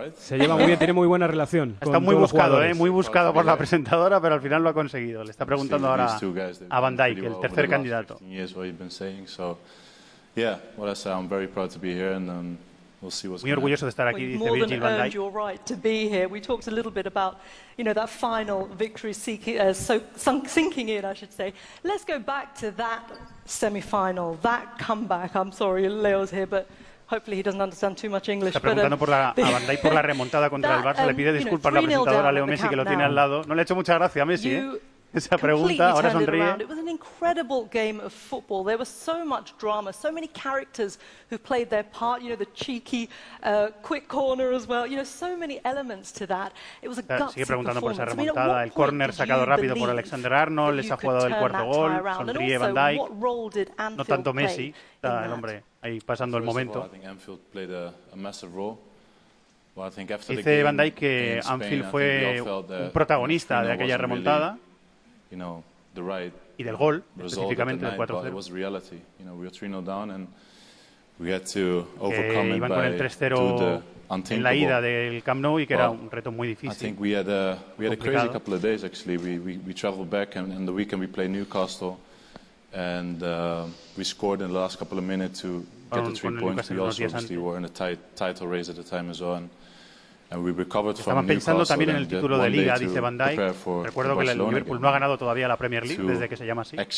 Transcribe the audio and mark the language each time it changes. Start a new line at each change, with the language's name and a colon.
Spanish: Se lleva muy bien, tiene muy buena relación. Está muy buscado, muy buscado por la presentadora, pero al final lo ha conseguido. Le está preguntando ahora a Van Dijk, el tercer candidato. Muy orgulloso de estar aquí, dice Virgil van Dijk.
English: You're right to be here. We talked a little bit about, you know, that final victory sinking in, I should say. Let's go back to that semi-final, that comeback. I'm sorry, Leo's here, but hopefully he doesn't understand too much English.
Spanish: Está preguntando a Van Dijk por la remontada contra el Barça. Le pide disculpas la presentadora Leo Messi, que lo tiene al lado. No le ha hecho mucha gracia a Messi, esa pregunta. Ahora sonríe.
English: It was an incredible game of football. There was so much drama, so many characters who played their part. You know, the cheeky, quick corner as well. You know, so many elements to that. It was a gutsy.
Spanish: Sigue preguntando por esa remontada. El corner sacado rápido por Alexander Arnold. Les ha jugado el cuarto gol. Sonríe Van Dijk. No tanto Messi, está el hombre. Ahí pasando el momento. Dice Van Dijk que Anfield fue un protagonista de aquella remontada y del gol, específicamente del 4-0. Que iban con el 3-0 en la ida del Camp Nou y que era un reto muy difícil.
English: We had a crazy couple of days, actually. We traveled back, and the weekend we played Newcastle, and we scored in the last couple of minutes to
Spanish: Estaban pensando también en el título de Liga, dice Van Dijk. Recuerdo que el Liverpool no ha ganado todavía la Premier League desde que se llama así.